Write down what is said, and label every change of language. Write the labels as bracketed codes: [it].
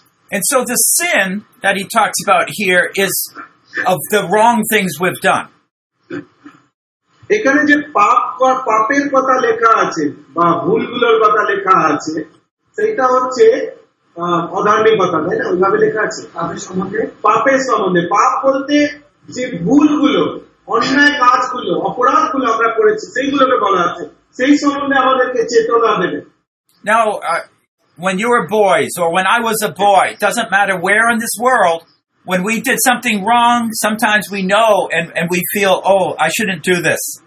[en] And so the sin that he talks about here is of the wrong things we've done. [bn] এখানে যে পাপ বা পাপের কথা লেখা আছে বা ভুলগুলোর কথা লেখা আছে সেটা হচ্ছে অধার্মিক কথা তাই না ওইভাবে লেখা আছে পাপের সম্বন্ধে পাপ বলতে যে ভুলগুলো অন্যায় কাজগুলো অপরাধগুলো আমরা করেছি সেইগুলোকে বলা আছে সেই সম্বন্ধে আমাদেরকে চেতনা দেবে [en] Now, when you were boys, or when I was a boy, doesn't matter where in this world, when we did something wrong, sometimes we know and we feel, oh, I shouldn't do this.